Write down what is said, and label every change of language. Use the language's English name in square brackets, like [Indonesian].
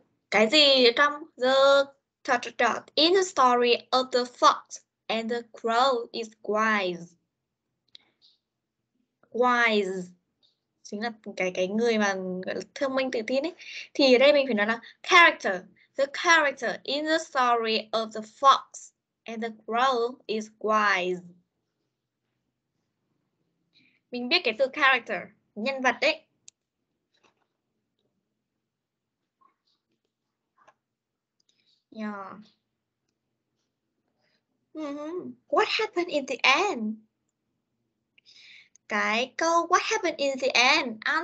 [Vietnamese] Cái gì trong [English] the dot dot dot in the story of the fox and the crow is wise? [Vietnamese] Wise chính là cái người mà gọi là thông minh tự tin ấy. Thì ở đây mình phải nói là character. [English] The character in the story of the fox and the crow is wise. [Vietnamese] Mình biết cái từ character, nhân vật đấy. [English] Yeah. What happened in the end? [Vietnamese] Cái câu [English] what happened in the end?